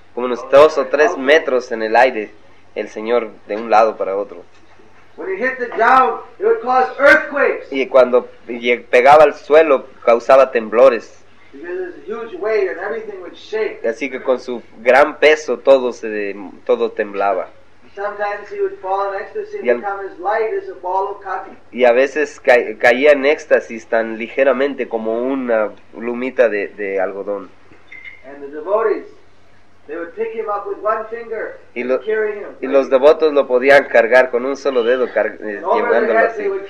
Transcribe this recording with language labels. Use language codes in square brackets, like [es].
[es] como unos 2 o 3 metros en el aire el Señor de un lado para otro. [en] When he hit the ground, it would cause earthquakes. [es] Y cuando pegaba al suelo, causaba temblores. [en] Because it's a huge weight and everything would shake. [es] Así que con su gran peso, todo temblaba. [en] Sometimes he would fall in ecstasy and become as light as a ball of cotton. [es] Y a veces caía en éxtasis tan ligeramente como una plumita de algodón. [en] And the devotees, they would pick him up with one finger and carry him. [es] Y los devotos lo podían cargar con un solo dedo, llevándolo así.